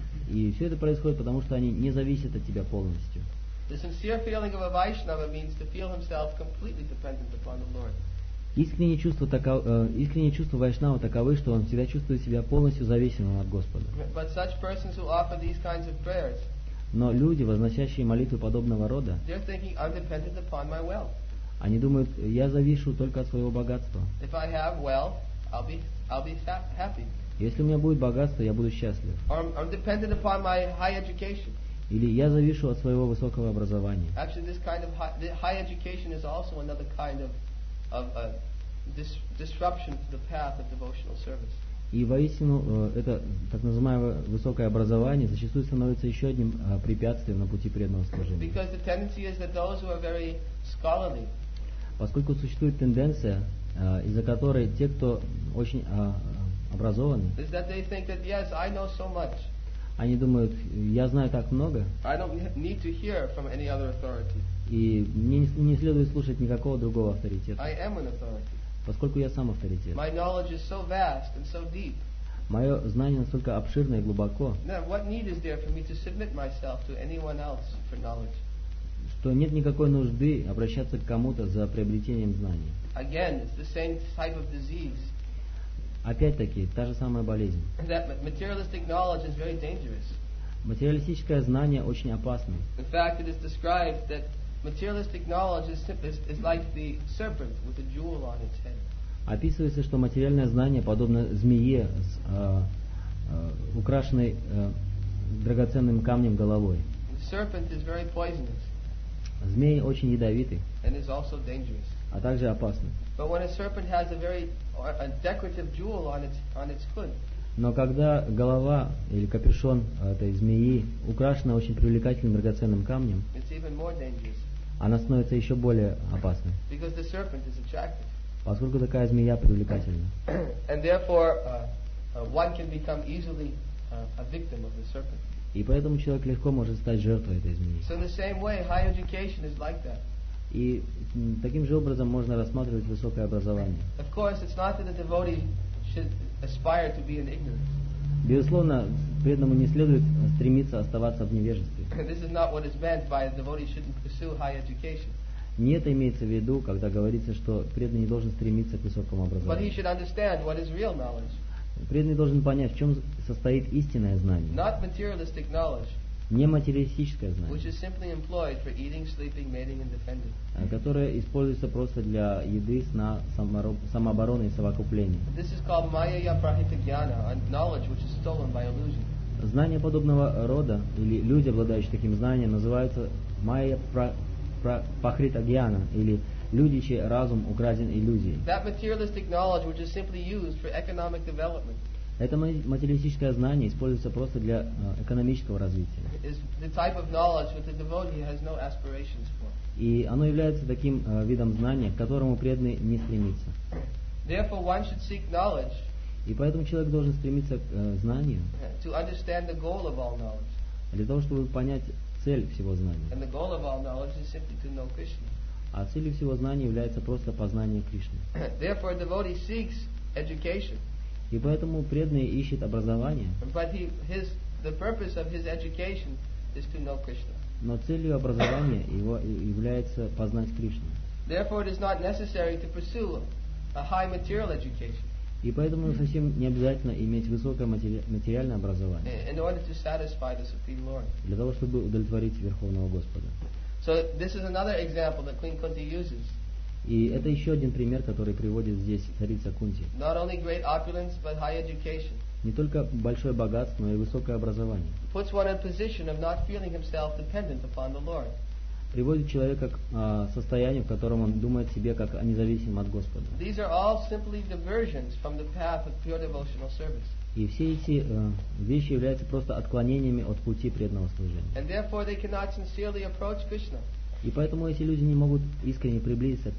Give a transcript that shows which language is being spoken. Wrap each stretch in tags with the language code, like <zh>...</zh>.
<ru>И все это происходит потому, что они не зависят от тебя полностью.</ru> <en>The sincere feeling of a Vaishnava means to feel himself completely dependent upon the Lord.</en> <ru>Искренние чувства Вайшнава таковы, что он всегда чувствует себя полностью зависимым от Господа.</ru> <en>But such persons who offer these kinds of prayers,</en> <ru>но люди, возносящие молитвы подобного рода,</ru> <en>they're thinking, I'm dependent upon my wealth.</en> <ru>Они думают, я завишу только от своего богатства.</ru> <en>If I have wealth, I'll be happy.</en> <ru>Если у меня будет богатство, я буду счастлив.</ru> <en>Or I'm dependent upon my high education.</en> <ru>Или я завишу от своего высокого образования.</ru> <en>Actually, this kind of high education is also another kind of disruption to the path of devotional service.</en> <ru>И воистину, это так называемое высокое образование зачастую становится еще одним препятствием на пути преданного служения.</ru> <en>Because the tendency is that those who are very scholarly,</en> <ru>поскольку существует тенденция, из-за которой те, кто очень образованы,</ru> <en>is that they think that, yes, I know so much.</en> <ru>Они думают, я знаю так много.</ru> <en>I don't need to hear from any other authority.</en> <ru>И мне не следует слушать никакого другого авторитета.</ru> <en>I am an authority.</en> <ru>Поскольку я сам авторитет.</ru> <en>My knowledge is so vast and so deep.</en> <ru>Мое знание настолько обширно и глубоко.</ru> <en>Now, what need is there for me to submit myself to anyone else for knowledge?</en> <ru>Что нет никакой нужды обращаться к кому-то за приобретением знаний.</ru> <en>Again, it's the same type of disease.</en> <ru>Опять-таки, та же самая болезнь.</ru> <en>That materialistic knowledge is very dangerous.</en> <ru>Материалистическое знание очень опасно.</ru> <en>In fact, it is described that materialistic knowledge is like the serpent with a jewel on its head.</en> <ru>Описывается, что материальное знание подобно змее с украшенной драгоценным камнем головой.</ru> <en>The serpent is very poisonous.</en> <ru>Змеи очень ядовиты.</ru> <en>And is also dangerous.</en> <ru>А также опасны.</ru> <en>But when a serpent has a very a decorative jewel on its hood.</en> <ru>Но когда голова или капюшон этой змеи украшена очень привлекательным драгоценным камнем,</ru> <en>it's even more dangerous.</en> <ru>Она становится еще более опасной.</ru> <en>Because the serpent is attractive.</en> <ru>Поскольку такая змея привлекательна.</ru> <en>And therefore, one can become easily a victim of the serpent.</en> <ru>И поэтому человек легко может стать жертвой этой змеи.</ru> <en>So the same way, high education is like that.</en> <ru>И таким же образом можно рассматривать высокое образование.</ru> <en>Of course, it's not that the devotee should aspire to be in ignorance.</en> <ru>Безусловно, преданному не следует стремиться оставаться в невежестве.</ru> <en>This is not what is meant by a devotee shouldn't pursue high education.</en> <ru>Не это имеется в виду, когда говорится, что преданный не должен стремиться к высокому образованию.</ru> <en>But he should understand what is real knowledge.</en> <ru>Преданный должен понять, в чем состоит истинное знание.</ru> <en>Not materialistic knowledge.</en> <ru>Не материалистическое знание,</ru> <en>which is simply employed for eating, sleeping, mating, and defending.</en> <ru>Которое используется просто для еды, сна, самообороны и совокупления.</ru> <en>This is called Mayaya Prahitajnana, a knowledge which is stolen by illusion.</en> <ru>Знания подобного рода или люди, обладающие таким знанием, называются Mayaya Prahitajnana или люди, чей разум украден иллюзией.</ru> <en>That materialistic knowledge which is simply used for economic development.</en> <ru>Это материалистическое знание используется просто для экономического развития.</ru> <en>Is the type of knowledge that the devotee has no aspirations for.</en> <ru>И оно является таким видом знания, к которому преданный не стремится.</ru> <en>Therefore, one should seek knowledge.</en> <ru>И поэтому человек должен стремиться к знанию.</ru> <en>To understand the goal of all knowledge.</en> <ru>Для того, чтобы понять цель всего знания.</ru> <en>And the goal of all knowledge is simply to know Krishna.</en> <ru>А целью всего знания является просто познание Кришны.</ru> <en>Therefore, a devotee seeks education.</en> <ru>И поэтому преданный ищет образование.</ru> <en>But the purpose of his education is to know Krishna.</en> <ru>Но целью образования его является познать Кришну.</ru> <en>Therefore, it is not necessary to pursue a high material education.</en> <ru>И поэтому совсем не обязательно иметь высокое материальное образование.</ru> <en>In order to satisfy the Supreme Lord.</en> <ru>Для того, чтобы удовлетворить Верховного Господа.</ru> <en>So this is another example that Queen Kunti uses.</en> <ru>И это еще один пример, который приводит здесь царица Кунти.</ru> <en>Not only great opulence, but high education.</en> <ru>Не только большое богатство, но и высокое образование.</ru> <en>Puts one in a position of not feeling himself dependent upon the Lord.</en> <ru>Приводит человека к состоянию, в котором он думает себе как о независимом от Господа.</ru> <en>These are all simply diversions from the path of pure devotional service.</en> <ru>И все эти вещи являются просто отклонениями от пути преданного служения.</ru> <en>And therefore they cannot sincerely approach Krishna.</en> <ru>И поэтому эти люди не могут искренне приблизиться к</ru>